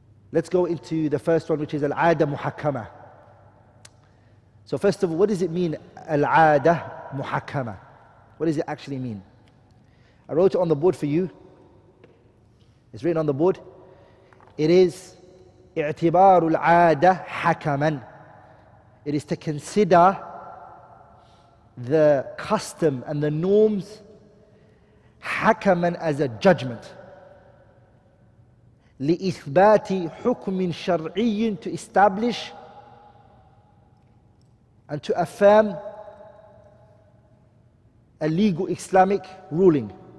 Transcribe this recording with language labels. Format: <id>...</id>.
<en>Let's go into the first one, which is Al-Aadah Muhakkama. So first of all, what does it mean, Al-Aadah Muhakkama? What does it actually mean? I wrote it on the board for you. It's written on the board. It is</en> <ar>اِعْتِبَارُ الْعَادَ حَكَمًا.</ar> <en>It is to consider the custom and the norms</en> <ar>حَكَمًا</ar> <en>as a judgment.</en> <ar>لِإِثْبَاتِ حُكْمٍ شَرْعِيٍ,</ar> <en>to establish and to affirm a legal Islamic ruling.</en>